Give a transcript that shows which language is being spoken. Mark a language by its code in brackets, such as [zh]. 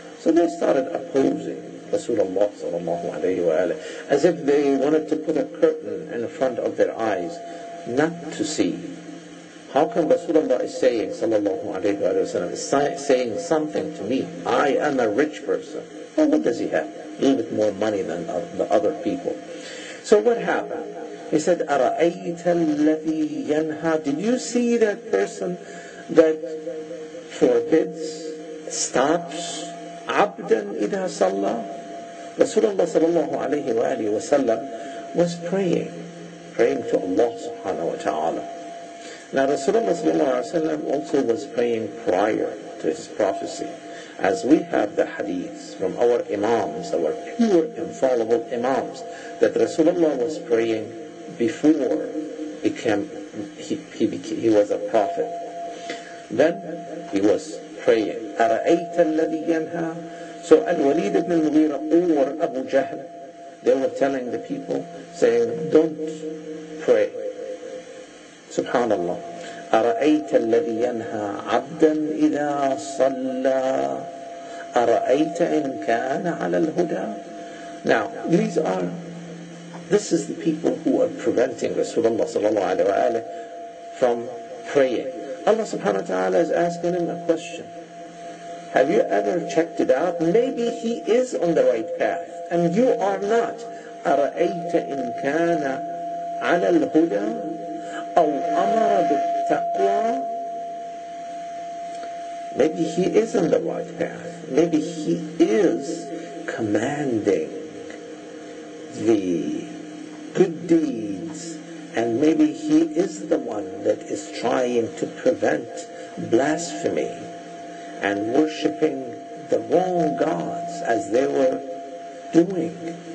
[en] So they started opposing Rasulullah sallallahu alayhi wa alayhi, as if they wanted to put a curtain in front of their eyes, not to see. How come Rasulullah is saying, sallallahu alayhi wa sallam, is saying something to me? I am a rich person. Well, what does he have? A little bit more money than the other people. So what happened? He said, [ar] أَرَأَيْتَ الَّذِي يَنْهَى. [en] Did you see that person that forbids, stops, [ar] عَبْدًا إِذَا صَلَّى? [en] Rasulullah sallallahu alayhi wa sallam was praying to Allah subhanahu wa ta'ala. Now Rasulullah also was praying prior to his prophecy. As we have the hadiths from our imams, our pure infallible imams, that Rasulullah was praying before he was a prophet. Then he was praying. [ar] أَرَأَيْتَ الَّذِي يَنْهَى. [en] So Al-Walid ibn al-Mughira or Abu Jahl, they were telling the people, saying, don't pray. Subhanallah. [ar] أرأيت الذي ينهى عبدا إذا صلى أرأيت إن كان على الهدى. [en] Now these are, this is the people who are preventing Rasulullah sallallahu alayhi wa alayhi from praying. Allah subhanahu wa ta'ala is asking him a question. Have you ever checked it out? Maybe he is on the right path and you are not. [ar] أرأيت إن كان على الهدى أو أمر بالتقوى. [en] Maybe he is on the right path. Maybe he is commanding the good deeds And maybe he is the one that is trying to prevent blasphemy and worshipping the wrong gods as they were doing.